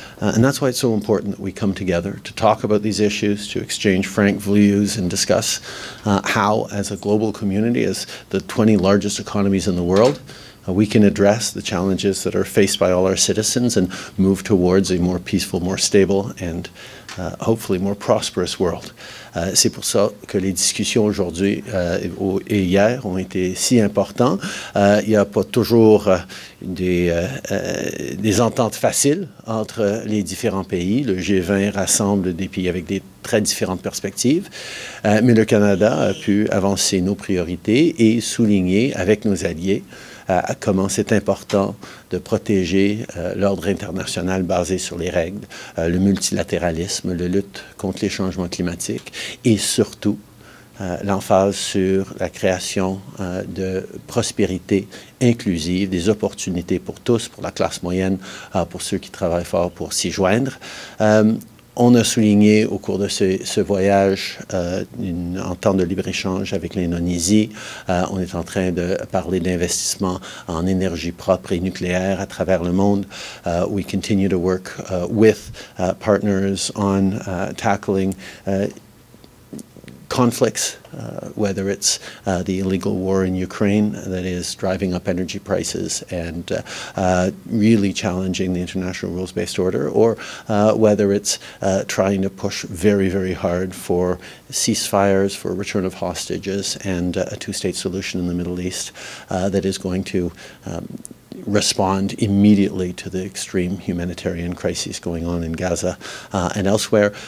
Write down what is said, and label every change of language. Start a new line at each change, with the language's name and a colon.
English: And that's why it's so important that we come together to talk about these issues, to exchange frank views and discuss how, as a global community, as the 20 largest economies in the world, we can address the challenges that are faced by all our citizens and move towards a more peaceful, more stable, and hopefully more prosperous world.
French: C'est pour ça que les discussions aujourd'hui et hier ont été si importantes. Il n'y a pas toujours des ententes faciles entre les différents pays. Le G20 rassemble des pays avec des très différentes perspectives. Mais le Canada a pu avancer nos priorités et souligner avec nos alliés comment c'est important de protéger l'ordre international basé sur les règles, le multilatéralisme, la lutte contre les changements climatiques et surtout l'emphase sur la création de prospérité inclusive, des opportunités pour tous, pour la classe moyenne, pour ceux qui travaillent fort pour s'y joindre. On a souligné au cours de ce voyage une entente de libre-échange avec l'Indonésie. On est en train de parler d'investissement en énergie propre et nucléaire à travers le monde.
English: We continue to work with partners on tackling conflicts, whether it's the illegal war in Ukraine that is driving up energy prices and really challenging the international rules-based order, or whether it's trying to push very, very hard for ceasefires, for return of hostages, and a two-state solution in the Middle East that is going to respond immediately to the extreme humanitarian crisis going on in Gaza and elsewhere.